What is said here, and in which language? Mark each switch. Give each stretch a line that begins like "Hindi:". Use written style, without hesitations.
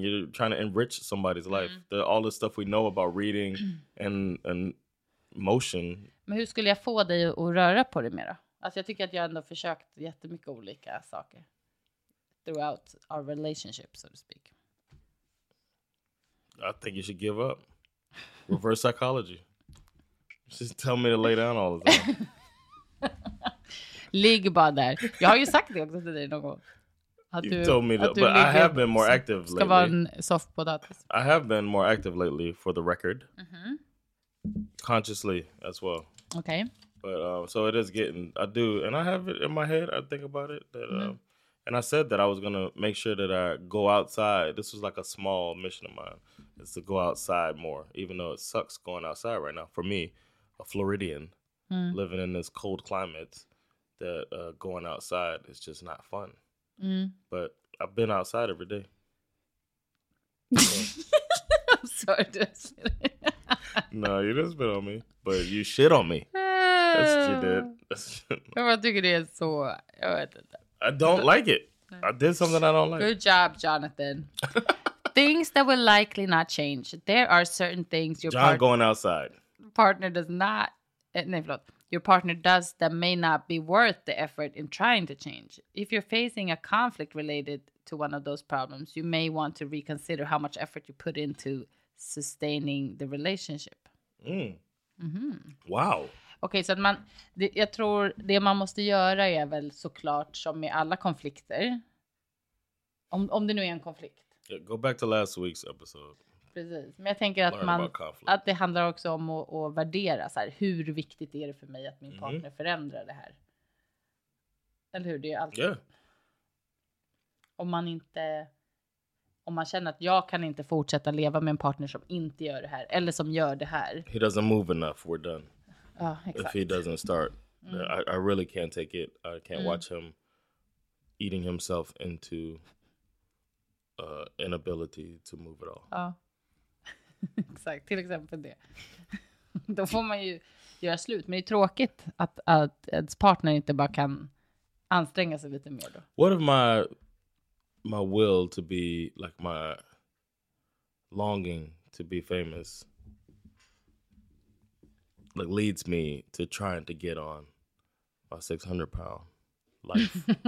English: You're trying to enrich somebody's life. Mm. All the stuff we know about reading and motion.
Swedish: Men hur skulle jag få dig att röra på dig mer? Alltså jag tycker att jag ändå försökt jättemycket olika saker
English: throughout our relationship, so to speak. I think you should give up. Reverse psychology. Just tell me to lay down all of them.
Swedish: Ligg bara där. Jag har ju sagt det också till dig någon gång.
English: Att you told me that, but I have been more active lately.
Swedish: Ska vara en soft potatis.
English: I have been more active lately, for the record. Mm-hmm. Consciously as well. Okay. But so it is getting, I do, and I have it in my head, I think about it, that, and I said that I was going to make sure that I go outside. This was like a small mission of mine, is to go outside more, even though it sucks going outside right now. For me, a Floridian, living in this cold climate, that going outside is just not fun. Mm. But I've been outside every day. I'm sorry to say that. No, you didn't spit on me, but you shit on me. That's what you did.
Swedish: Jag tycker det är så, jag vet inte.
English: I don't like it. I did something I don't like. Good job, Jonathan. Things that will likely not change. There are certain things your partner... John going outside. Partner does not...
Swedish: Nej, förlåt.
English: Your partner does that may not be worth the effort in trying to change. If you're facing a conflict related to one of those problems, you may want to reconsider how much effort you put into sustaining the relationship. Wow.
Swedish: Okej, så att man, jag tror det man måste göra är väl såklart som med alla konflikter. Om det nu är en konflikt.
English: Yeah, go back to last week's episode.
Swedish: Precis, men jag tänker att, att det handlar också om att värdera så här, hur viktigt är det för mig att min partner förändrar det här. Eller hur, det är alltid.
English: Yeah.
Swedish: Om man känner att jag kan inte fortsätta leva med en partner som inte gör det här. Eller som gör det här.
English: He doesn't move enough, we're done. Exactly. If he doesn't start, I really can't take it. I can't watch him eating himself into inability to move at all.
Swedish: Ja, exakt. Till exempel det. Då får man ju göra slut. Men det är tråkigt att ens partner inte bara kan anstränga sig lite mer då.
English: What if my will to be, like my longing to be famous, like leads me to trying to get on my 600-pound life.